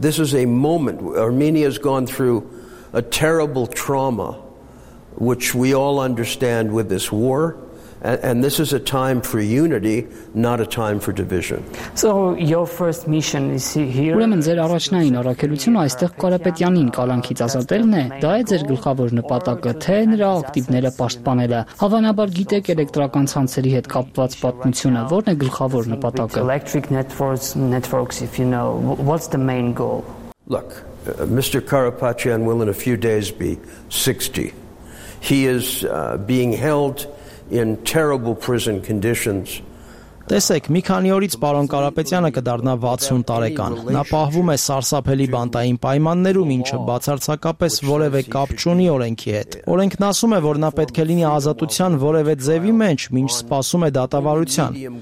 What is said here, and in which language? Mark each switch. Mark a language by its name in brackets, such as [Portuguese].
[Armenian] պարակտման։ [English] And this is a time for unity, not a time for division. So your first mission is here. [Armenian] Ուրեմն ձեր առաջնային առաքելությունը այստեղ Կարապետյանին կալանքից ազատելն է։ Դա է ձեր գլխավոր նպատակը, թե նրա ակտիվները պաշտպանելը։ Հավանաբար գիտեք էլեկտրական ցանցերի հետ կապված պատմությունը, որն է գլխավոր նպատակը։ [English] Electric networks, if you know, what's the main goal? Look, Mr. Karapetyan will in a few days be 60. He is being held in terrible prison conditions. [Armenian] Տեսեք, մի քանի օրից պարոն Կարապետյանը կդառնա 60 տարեկան։ Նա պահվում է սարսափելի բանտային պայմաններում, ինչը բացարձակապես որևէ կապ չունի օրենքի հետ։ Օրենքն ասում է, որ նա պետք է լինի ազատության որևէ ձևի մեջ, ինչ սпасում է դատավարության,